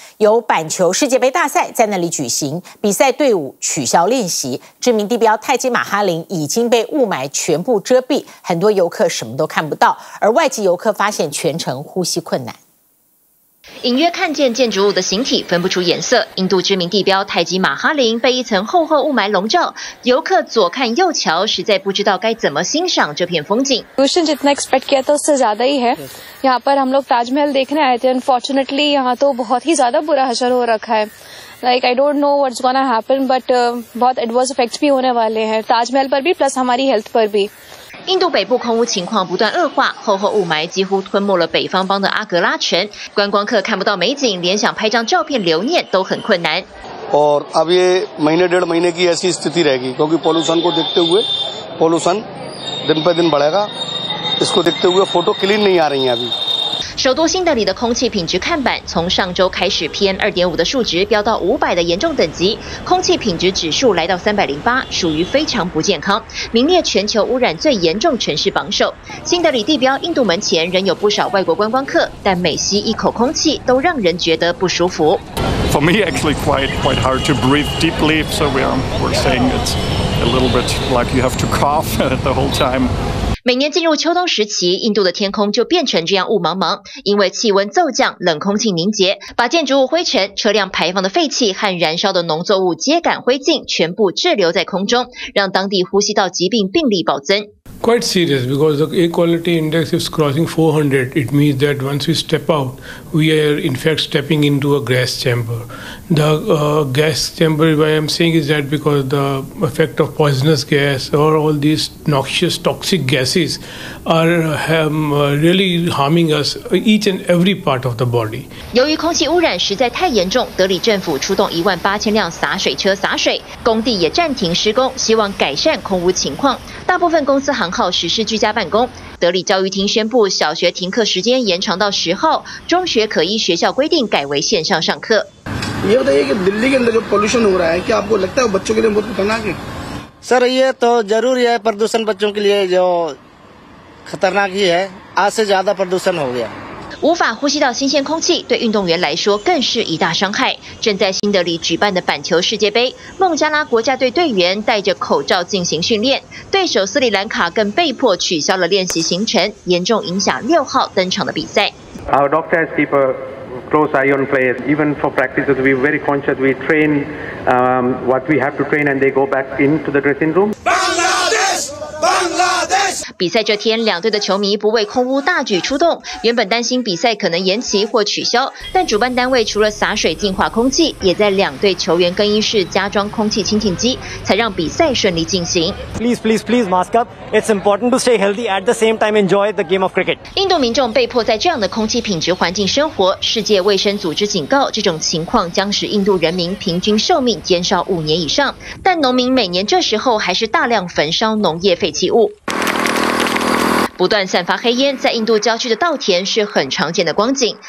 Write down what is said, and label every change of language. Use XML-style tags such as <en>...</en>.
<zh>有板球世界杯大赛在那里举行，比赛队伍取消练习，知名地标泰姬玛哈林已经被雾霾全部遮蔽，很多游客什么都看不到，而外籍游客发现全程呼吸困难。隐约看见建筑物的形体，分不出颜色。印度知名地标泰姬玛哈林被一层厚厚雾霾笼罩，游客左看右瞧，实在不知道该怎么欣赏这片风景。</zh> <hi>Pollution जितना expect किया था उससे ज़्यादा ही है। यहाँ पर हम लोग ताजमहल देखने आए थे, unfortunately यहाँ तो बहुत ही ज़्यादा बुरा हशर हो रखा है.</hi> <en>Like I don't know what's gonna happen, but</en> <hi>बहुत adverse effects भी होने वाले हैं. ताजमहल पर भी plus हमारी health पर भी.</hi> <zh>印度北部空污情况不断恶化，厚厚雾霾几乎吞没了北方邦的阿格拉城，观光客看不到美景，连想拍张照片留念都很困难。</zh> <hi>और अब ये महीने डेढ़ महीने की ऐसी स्थिति रहेगी, क्योंकि पोल्यूशन को देखते हुए, पोल्यूशन दिन पर दिन बढ़ेगा, इसको देखते हुए फोटो क्लीन नहीं आ रही है अभी.</hi> <zh>首都新德里的空气品质看板从上周开始 PM2.5 的数值飙到500的严重等级，空气品质指数来到308，属于非常不健康，名列全球污染最严重城市榜首。新德里地标印度门前仍有不少外国观光客，但每吸一口空气都让人觉得不舒服。</zh> <en>For me actually quite hard to breathe deeply, so we're saying it's a little bit like you have to cough the whole time.</en> <zh>每年进入秋冬时期，印度的天空就变成这样雾茫茫，因为气温骤降，冷空气凝结，把建筑物灰尘、车辆排放的废气和燃烧的农作物秸秆灰烬全部滞留在空中，让当地呼吸道疾病病例暴增。</zh> <en>Quite serious, because the air quality index is crossing 400. It means that once we step out, we are in fact stepping into a gas chamber. The gas chamber, why I'm saying is that because the effect of poisonous gas or all these noxious toxic gases are really harming us each and every part of the body.</en> <zh>由于空气污染实在太严重，德里政府出动18000辆洒水车洒水，工地也暂停施工，希望改善空污情况。大部分公司行号实施居家办公。德里教育厅宣布小学停课时间延长到10号，中学可依学校规定改为线上上课。</zh> <hi>ये बताइए कि दिल्ली के अंदर जो pollution हो रहा है, क्या आपको लगता है बच्चों के लिए बहुत खतरनाक है? सर ये तो जरूर है, प्रदूषण बच्चों के लिए जो खतरनाक ही है, आज से ज्यादा प्रदूषण हो गया.</hi> <zh>无法呼吸到新鲜空气，对运动员来说更是一大伤害。正在新德里举办的板球世界杯，孟加拉国家队队员戴着口罩进行训练，对手斯里兰卡更被迫取消了练习行程，严重影响6号登场的比赛。</zh> <en>Our doctors keep a close eye on players, even for practices. We're very conscious. We train what we have to train, and they go back into the dressing room. Bangladesh, Bangladesh.</en> <zh>比赛这天，两队的球迷不畏空污大举出动。原本担心比赛可能延期或取消，但主办单位除了洒水净化空气，也在两队球员更衣室加装空气清净机，才让比赛顺利进行。</zh> <en>Please, please, please, mask up. It's important to stay healthy at the same time enjoy the game of cricket.</en> <zh>印度民众被迫在这样的空气品质环境生活。世界卫生组织警告，这种情况将使印度人民平均寿命减少五年以上。但农民每年这时候还是大量焚烧农业废弃物。不断散发黑烟，在印度郊区的稻田是很常见的光景。</zh>